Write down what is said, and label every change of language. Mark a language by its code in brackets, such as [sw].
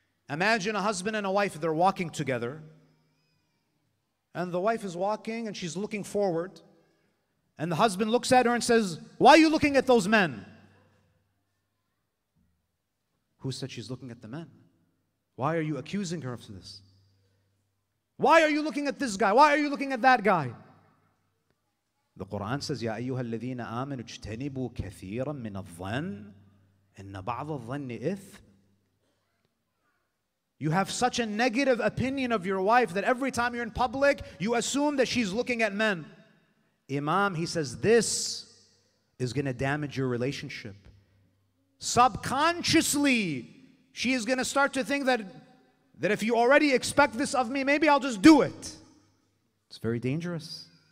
[en] Imagine a husband and a wife, they're walking together. And the wife is walking and she's looking forward. And the husband looks at her and says, why are you looking at those men? Who said she's looking at the men? Why are you accusing her of this? Why are you looking at this guy? Why are you looking at that guy? The Quran says, [ar] يَا أَيُّهَا الَّذِينَ آمَنُوا اجْتَنِبُوا كَثِيرًا مِّنَ الظَّنِّ إِنَّ بَعْضَ الظَّنِّ إِثْمٍ. [en] You have such a negative opinion of your wife that every time you're in public, you assume that she's looking at men. Imam, he says, this is going to damage your relationship. Subconsciously, she is going to start to think that if you already expect this of me, maybe I'll just do it. It's very dangerous.